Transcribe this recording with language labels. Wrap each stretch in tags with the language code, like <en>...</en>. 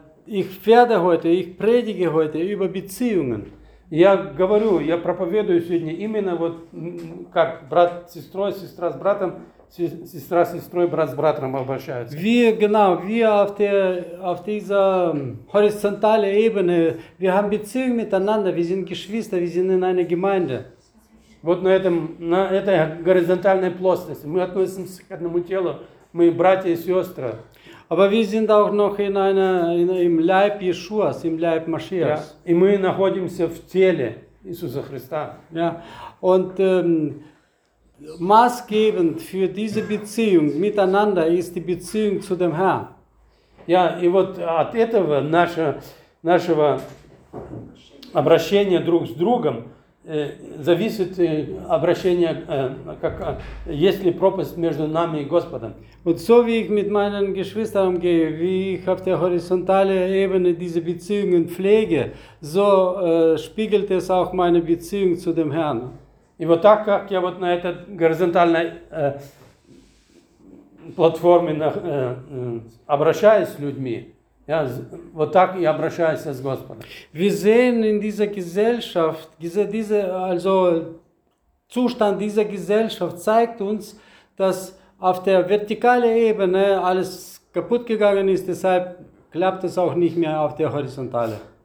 <de>Ich werde heute, ich predige heute über Beziehungen.</de> <ru>Я говорю, я проповедую сегодня именно вот как брат с сестрой, сестра с братом. Сестра с сестрой, брат с братом обращаются.</ru> <de>Wir genau, wir auf dieser horizontalen Ebene, wir haben Beziehung miteinander, wir sind Geschwister, wir sind in einer Gemeinde.</de> <ru>Вот на этом, на этой горизонтальной плоскости мы относимся к одному телу, мы братья и сестры.</ru> <de>Aber wir sind auch noch in einer im Leib Jesuas, im Leib Mashiach. Ja,</de> <ru>и мы находимся в теле Иисуса Христа.</ru> <de>Ja, und maßgebend für diese Beziehung miteinander ist die Beziehung zu dem Herrn.</de> <ru>Ja, и вот от этого нашего обращения друг с другом зависит обращение, как есть ли пропасть между нами и Господом.</ru> <de>Und so wie ich mit meinen Geschwistern umgehe, wie ich auf der horizontalen Ebene diese Beziehungen pflege, so spiegelt es auch meine Beziehung zu dem Herrn.</de> <ru>И вот так, как я вот на этой горизонтальной платформе обращаюсь с людьми, я вот так и обращаюсь с Господом.</ru> <de>Wir sehen in dieser Gesellschaft, also Zustand dieser Gesellschaft zeigt uns, dass auf der vertikalen Ebene alles kaputt gegangen ist, deshalb klappt es auch nicht mehr auf der horizontalen.</de>